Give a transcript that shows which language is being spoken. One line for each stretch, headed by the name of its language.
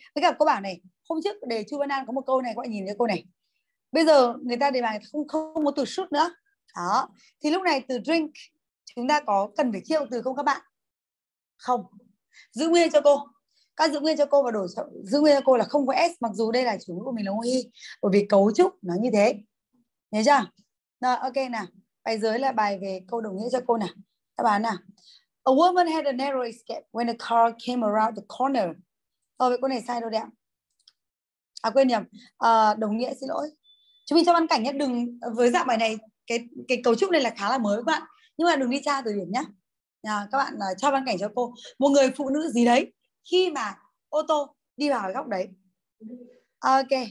Vietnamese: Với cả cô bảo này, hôm trước đề Chu Văn An có một câu này, các bạn nhìn thấy câu này, bây giờ người ta đề bài không không có từ should nữa đó, thì lúc này từ drink chúng ta có cần phải chia từ không các bạn? Không, giữ nguyên cho cô, các giữ nguyên cho cô và đổi giữ nguyên cho cô là không có s, mặc dù đây là chủ ngữ của mình là ngoại, bởi vì cấu trúc nó như thế, nhớ chưa? Rồi ok nào. Bài dưới là bài về câu đồng nghĩa cho cô nè. Các bạn nè.
English: A woman had a narrow escape when a car came around the corner.
Vietnamese: Ờ, vậy cô này sai rồi đẹp. À quên nhầm. À, đồng nghĩa xin lỗi. Chúng mình cho văn cảnh nhé. Đừng, với dạng bài này, cái cấu trúc này là khá là mới các bạn. Nhưng mà đừng đi tra từ điển nhé. À, các bạn cho văn cảnh cho cô. Một người phụ nữ gì đấy khi mà ô tô đi vào cái góc đấy. Ok.